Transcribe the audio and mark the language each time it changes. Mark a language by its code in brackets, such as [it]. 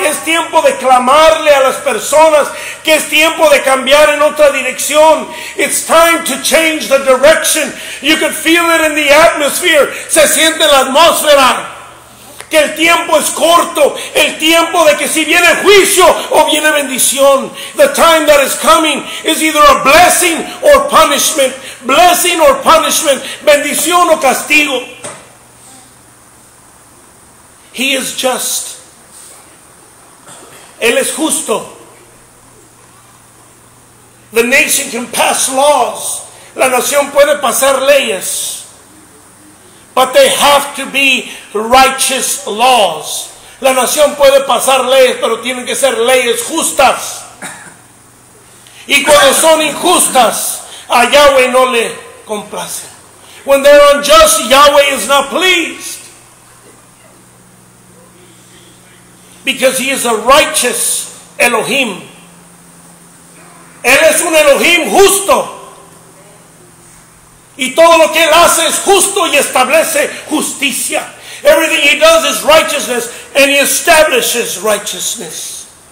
[es] Es tiempo de clamarle a las personas que es tiempo de cambiar en otra dirección. [en] It's time to change the direction. You can feel it in the atmosphere. [es] Se siente en la atmósfera. Que el tiempo es corto. El tiempo de que si viene juicio o viene bendición. [en] The time that is coming is either a blessing or punishment. Blessing or punishment. [es] Bendición o castigo. [en] He is just. [es] Él es justo. [en] The nation can pass laws. [es] La nación puede pasar leyes. [en] But they have to be righteous laws. [es] La nación puede pasar leyes, pero tienen que ser leyes justas. Y cuando son injustas, a Yahweh no le complacen. [en] When they're unjust, Yahweh is not pleased. Because he is a righteous Elohim. [es] Él es un Elohim justo. Y todo lo que él hace es justo y establece justicia. [en] Everything he does is righteousness and he establishes righteousness.